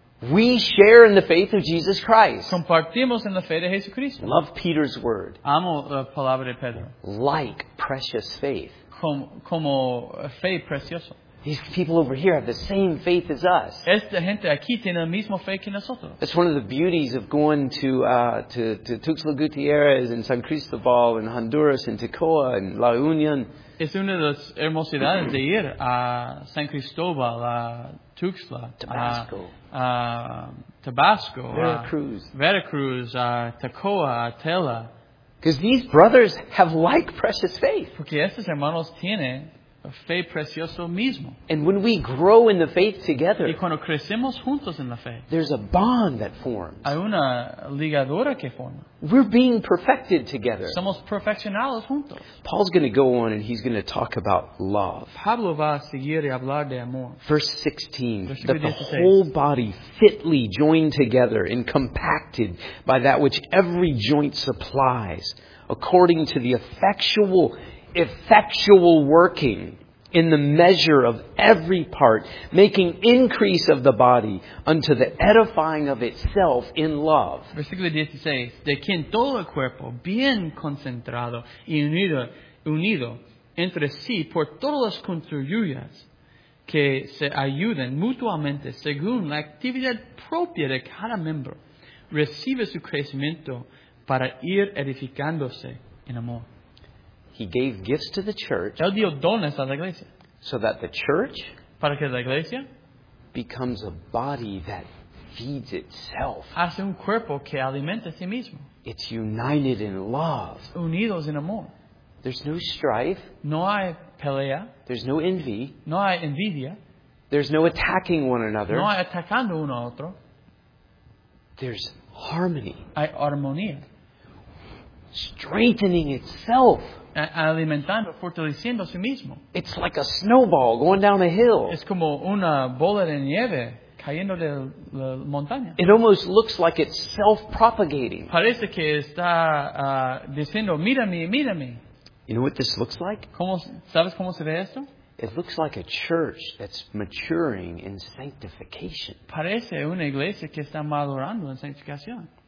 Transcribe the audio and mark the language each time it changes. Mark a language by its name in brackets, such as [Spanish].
[English] We share in the faith of Jesus Christ. [Spanish] Compartimos en la fe de Jesucristo. [English] Love Peter's word. [Spanish] Amo la palabra de Pedro. [English] Like precious faith. [Spanish] Como fe preciosa. [English] These people over here have the same faith as us. [Spanish] Esta gente aquí tiene la misma fe que nosotros. [English] That's one of the beauties of going to Tuxtla Gutiérrez and San Cristóbal and Honduras and Tocoa and La Unión. [Spanish] Es una de las hermosidades de ir a San Cristóbal, a Tuxtla, Tabasco, Tabasco, Veracruz, Veracruz, Tocoa, Tela. [English] Because these brothers have like precious faith. [Spanish] Porque estos hermanos tienen fe precioso mismo. [English] And when we grow in the faith together, [Spanish] y cuando crecemos juntos en la fe, [English] there's a bond that forms. [Spanish] Hay una ligadura que forma. [English] We're being perfected together. [Spanish] Somos perfeccionados juntos. [English] Paul's going to go on and he's going to talk about love. [Spanish] Pablo va a seguir y hablar de amor. [English] Verse 16, that the whole body fitly joined together and compacted by that which every joint supplies, according to the effectual working in the measure of every part, making increase of the body unto the edifying of itself in love. [Spanish] Versículo 16. De quien todo el cuerpo, bien concentrado y unido entre sí por todas las construyas que se ayudan mutuamente según la actividad propia de cada miembro, recibe su crecimiento para ir edificándose en amor. [English] He gave gifts to the church. [Spanish] Él dio dones a la iglesia. [English] So that the church, [Spanish] para que la iglesia, [English] becomes a body that feeds itself. [Spanish] Hace un cuerpo que alimenta a sí mismo. [English] It's united in love. [Spanish] Unidos en amor. [English] There's no strife. [Spanish] No hay pelea. [English] There's no envy. [Spanish] No hay envidia. [English] There's no attacking one another. [Spanish] No hay atacando uno a otro. [English] There's harmony. [Spanish] Hay armonía. [English] Strengthening itself. [Spanish] Alimentando, fortaleciendo a sí mismo. [English] It's like a snowball going down a hill. [Spanish] Es como una bola de nieve cayendo de la montaña. [English] It almost looks like it's self-propagating. [Spanish] Parece que está diciendo, mírame, mírame. [English] You know what this looks like? [Spanish] ¿Cómo, sabes cómo se ve esto? [English] It looks like a church that's maturing in sanctification. [Spanish] Parece una iglesia que está madurando en santificación.